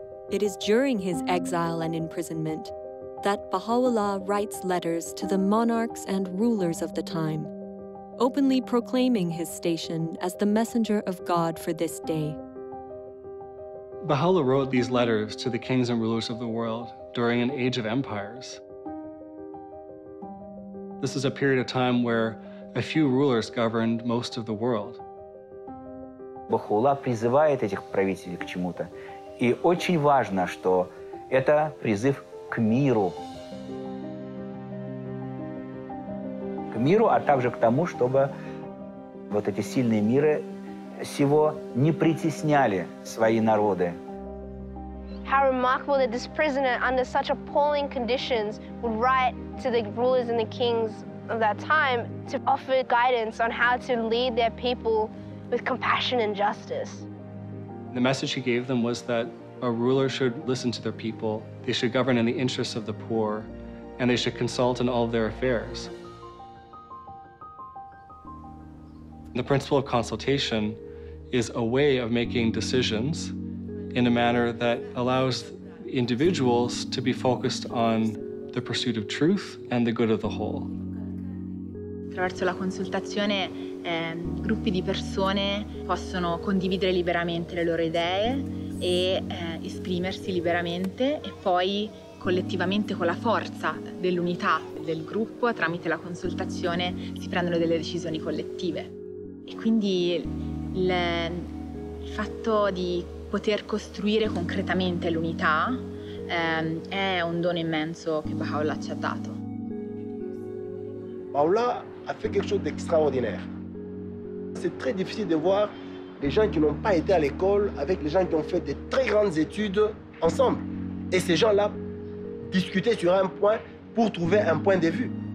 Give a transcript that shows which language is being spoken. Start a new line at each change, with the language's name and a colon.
English: It is during his exile and imprisonment that Baha'u'llah writes letters to the monarchs and rulers of the time, openly proclaiming his station as the messenger of God for this day. Baha'u'llah wrote these letters to the kings and rulers of the world during an age of empires. This is a period of time where a few rulers governed most of the world.
Russian: Baha'u'llah призывает этих правителей к чему-то. И очень важно, что это призыв к миру. К миру, а также к тому, чтобы вот эти сильные миры сего не притесняли свои народы.
English: How remarkable that this prisoner under such appalling conditions would write to the rulers and the kings of that time to offer guidance on how to lead their people with compassion and justice. The message he gave them was that a ruler should listen to their people, they should govern in the interests of the poor, and they should consult in all of their affairs. The principle of consultation is a way of making decisions in a manner that allows individuals to be focused on the pursuit of truth and the good of the whole.
Italian: Attraverso la consultazione, gruppi di persone possono condividere liberamente le loro idee e esprimersi liberamente e poi collettivamente con la forza dell'unità del gruppo tramite la consultazione si prendono delle decisioni collettive. E quindi il fatto di poter costruire concretamente l'unità è un dono immenso che Baha'u'llah ci ha dato. Baha'u'llah ha fatto qualcosa di straordinario.
French: C'est très difficile de voir les gens qui n'ont pas été à l'école avec les gens qui ont fait des très grandes études ensemble. Et ces gens-là discutaient sur un point pour trouver un point de vue.